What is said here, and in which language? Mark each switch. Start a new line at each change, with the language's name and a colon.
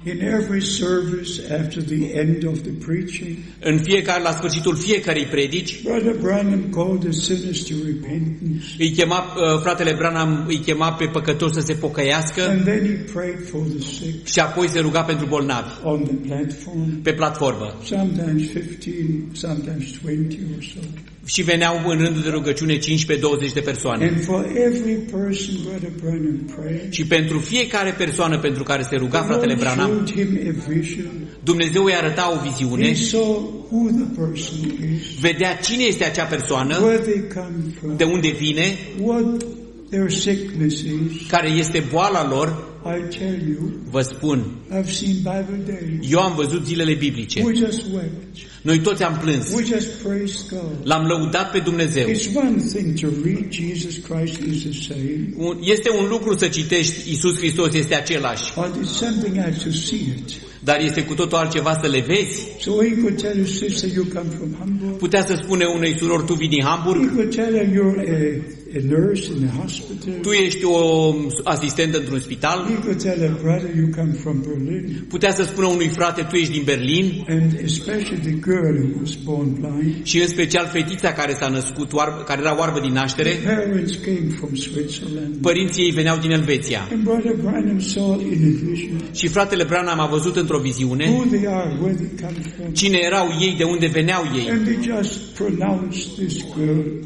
English: In every service after the end of the preaching.
Romanian: În fiecare la sfârșitul fiecarei predici.
English: Brother Branham called the sinners to repentance.
Romanian: Îi chema fratele Branham, îi chema pe păcătoși să se pocăiască.
English: And then he prayed for the sick.
Romanian: Și apoi se ruga pentru bolnavi.
English: On the platform.
Romanian: Pe platformă.
English: Sometimes 15, sometimes 20 or so.
Romanian: Și veneau în rândul de rugăciune 15-20 de persoane.
English: And for every person, Brother Branham prayed.
Romanian: Și pentru fiecare persoană pentru care se ruga fratele Branham, Dumnezeu îi arăta o viziune.
English: He saw who the person is.
Romanian: Vedea cine este acea persoană,
English: where they come from,
Romanian: de unde vine,
English: what their sickness is,
Romanian: care este boala lor,
English: I tell you,
Romanian: vă spun,
English: I've seen Bible days,
Romanian: eu am văzut zilele biblice.
English: We just wept.
Romanian: Noi toți am plâns.
English: We just praised God.
Romanian: L-am lăudat pe Dumnezeu.
English: It's one thing to read Jesus Christ is the same.
Romanian: Este un lucru să citești Iisus Hristos este același.
English: But it's something else to see it.
Romanian: Dar este cu totul altceva să le vezi.
English: So he could tell his sister, you come from Hamburg.
Romanian: Putea să spune unei surori, tu vii din Hamburg.
English: He could tell him, you're a nurse in the hospital.
Romanian: Tu ești o asistentă într-un spital.
English: He could tell a brother, you come from Berlin.
Romanian: Putea să spună unui frate, tu ești din Berlin.
English: And especially the girl who was born blind.
Romanian: Și în special fetița care s-a născut, care era oarbă din naștere.
English: The parents came from Switzerland.
Romanian: Părinții ei veneau din Elveția.
English: And brother Branham saw in a vision.
Romanian: Și fratele Branham a văzut într-o viziune.
English: Who they are, where they come from.
Romanian: Cine erau ei, de unde veneau ei.
English: And they just pronounced this girl.